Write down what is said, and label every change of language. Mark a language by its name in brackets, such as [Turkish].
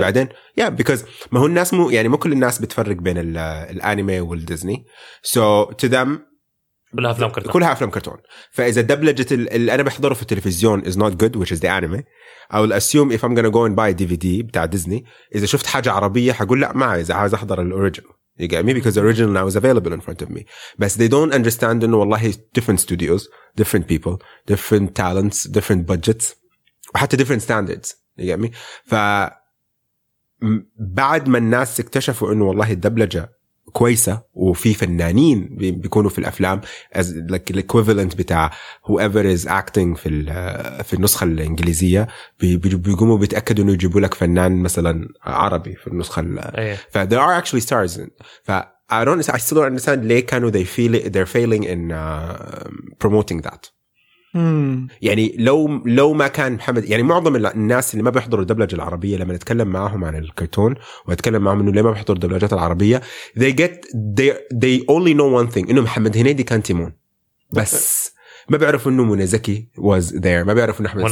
[Arabic] بعدين يا بيكوز ما هو الناس مو يعني مو كل الناس بتفرق بين الأنمي والديزني، [English] so to them [Arabic] كلها أفلام كرتون. كلها أفلام كرتون. فإذا الدبلجة اللي أنا بحضره في التلفزيون [English] is not good which is the anime، [Arabic] أو الأسيوم [English] if I'm gonna go and buy DVD [Arabic] بتاع ديزني، إذا شفت حاجة عربية حقول لا ما عايز، عايز أحضر الأوريجينال. [English] You get me? Because the original now is available in front of me. But they don't understand [Arabic] إنه والله [English] different studios, different people, different talents, different budgets, [Arabic] وحتى [English] different standards. You get me? [Arabic] فبعد ما الناس اكتشفوا إنه والله الدبلجة كويسة وفي فنانين بيكونوا في الأفلام [English] as like the equivalent [Arabic] بتاع [English] whoever is acting [Arabic] في النسخة الإنجليزية، بيقوموا بيتأكدوا إنه يجيبوا لك فنان مثلا عربي في النسخة. [English] ف there are actually stars. ف I still don't understand [Arabic] ليه كانوا [English] they're failing in promoting that. [Arabic] يعني لو ما كان محمد، يعني معظم الناس اللي ما بيحضروا الدبلجة العربية لما نتكلم معهم عن الكرتون واتكلم معهم انه ليه ما بيحضروا الدبلجات العربية، [English] they only know one thing [Arabic] انه محمد هنيدي كان تيمون بس. ما بيعرفوا انه منى زكي [English] was there، [Arabic] ما بيعرفوا انه احمد